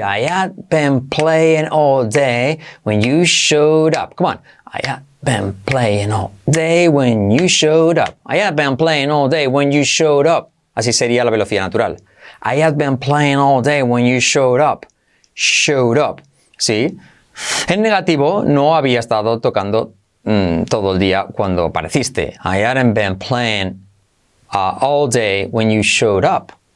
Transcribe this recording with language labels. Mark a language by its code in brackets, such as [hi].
[en] I had been playing all day when you showed up. Come on. I had been playing all day when you showed up. I had been playing all day when you showed up. [es] Así sería la velocidad natural. [en] I had been playing all day when you showed up. Showed up. [es] ¿Sí? En negativo, no había estado tocando todo el día cuando apareciste. [en] I hadn't been playing all day when you showed up.